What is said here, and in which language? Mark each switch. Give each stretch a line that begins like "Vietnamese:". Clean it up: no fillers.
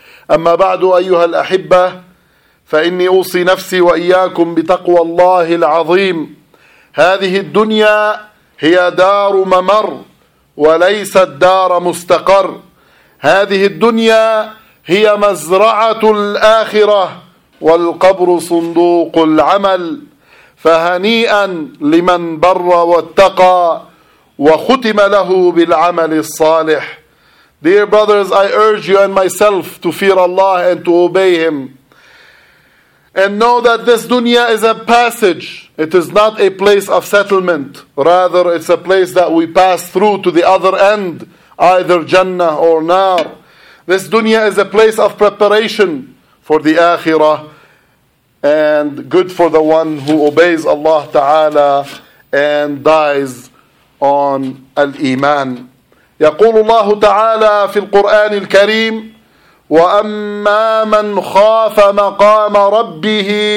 Arabic: أما بعد أيها الأحبة فإني أوصي نفسي وإياكم بتقوى الله العظيم هذه الدنيا هي دار ممر وليست دار مستقر هذه الدنيا هي مزرعة الآخرة والقبر صندوق العمل فهنيئا لمن بر واتقى وختم له بالعمل الصالح
English: Dear brothers, I urge you and myself to fear Allah and to obey Him. And know that this dunya is a passage. It is not a place of settlement. Rather, it's a place that we pass through to the other end, either Jannah or Nar. This dunya is a place of preparation for the Akhirah and good for the one who obeys Allah Ta'ala and dies on al-Iman.
Arabic: يقول الله تعالى في القرآن الكريم وَأَمَّا مَنْ خَافَ مَقَامَ رَبِّهِ